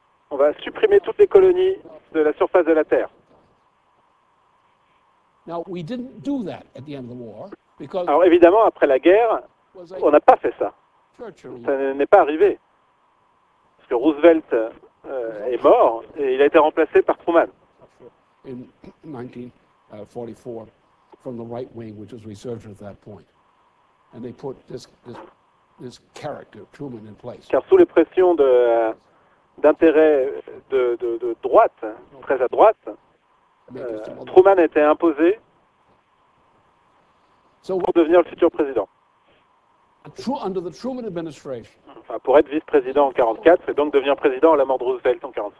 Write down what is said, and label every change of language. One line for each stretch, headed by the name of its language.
French: On va supprimer toutes les colonies de la surface de la Terre. Alors évidemment, après la guerre, on n'a pas fait ça. Ça n'est pas arrivé. Que Roosevelt est mort et il a été remplacé par Truman.
English: In 1944, from the right wing, which was resurgent at that point, and they put this character Truman in place.
French: Car sous les pressions d'intérêts de droite, très à droite, Truman a été imposé pour devenir le futur président.
English: Under the Truman administration.
French: Enfin, pour être vice-président en 1944 et donc devenir président à la mort de Roosevelt en